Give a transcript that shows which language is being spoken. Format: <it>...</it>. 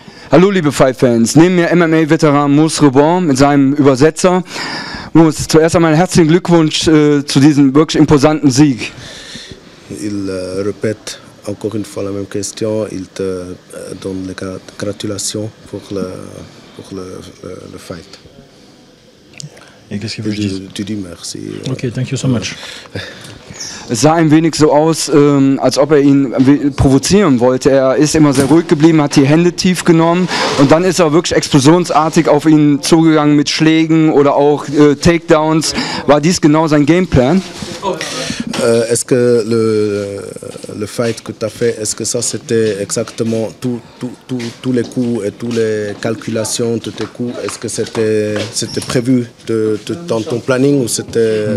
<de>Hallo liebe Fight-Fans, neben mir MMA-Veteran Moose Rebon mit seinem Übersetzer. Moose, zuerst einmal herzlichen Glückwunsch zu diesem wirklich imposanten Sieg.</de> <fr>Ich répète encore une fois la même question. Il te donne les gratulations pour le fight. Et qu'est-ce que vous dites? Tu dis merci.</fr> <en>Ok, thank you so much.</en> <de>Es sah ein wenig so aus, als ob er ihn provozieren wollte. Er ist immer sehr ruhig geblieben, hat die Hände tief genommen und dann ist er wirklich explosionsartig auf ihn zugegangen mit Schlägen oder auch Takedowns. War dies genau sein Gameplan?</de> <fr>Est-ce que le fight que tu as fait, est-ce que ça c'était exactement tous les coups et toutes les calculations de tes coups, est-ce que c'était prévu dans ton planning ou c'était...</fr>